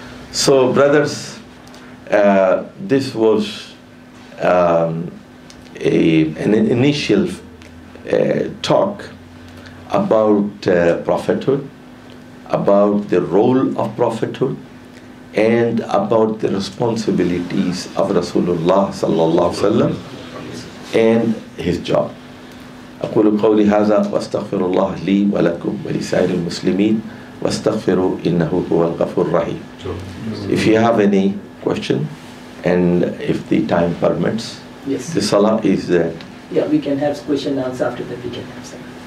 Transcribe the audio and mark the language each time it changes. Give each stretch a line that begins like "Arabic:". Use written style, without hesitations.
English: So brothers, this was an initial talk about prophethood, about the role of prophethood, and about the responsibilities of Rasulullah sallallahu alaihi wasallam and his job.
Arabic: أقول قولي هذا واستغفر الله لي ولكم ولسائر المسلمين واستغفروا إنه هو الغفور الرحيم.
English: If you have any question, and if the time permits, yes, the salah is there. Yeah, we can have question and answer after that. We can have some.